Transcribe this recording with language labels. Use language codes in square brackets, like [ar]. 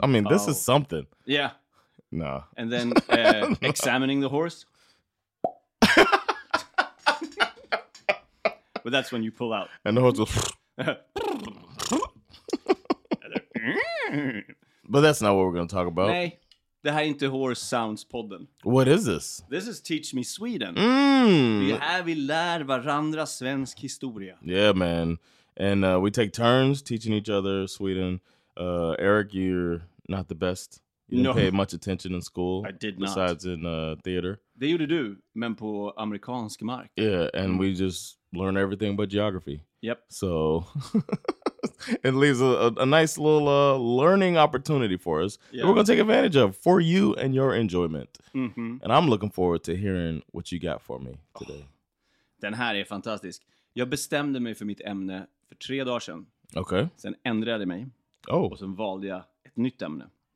[en] I mean, this is something. Yeah. No. And then examining the horse. But that's when you pull out. And the horse goes. But that's not what we're going to talk about. [sv] Nej, det här är inte Horse Sounds podden. [en] What is this? This is Teach Me Sweden. Mm. [sv] Det här vi lär varandra svensk historia. [en] Yeah, man. And we take turns teaching each other Sweden. Eric, you're not the best. You didn't pay much attention in school. I did not. Besides in theater. [sv] Det gjorde du, men på amerikansk mark. [en] Yeah, and we just learn everything but geography. Yep. So, it leaves a nice little learning opportunity for us. Yeah. We're going to take advantage of for you and your enjoyment. Mm-hmm. And I'm looking forward to hearing what you got for me today. [sv] Den här är fantastisk. Jag bestämde mig för mitt ämne för 3 dagar sedan. [en] Okay. [sv] Sen ändrade jag mig. [en] Oh. [sv] Och sen valde jag ett nytt ämne.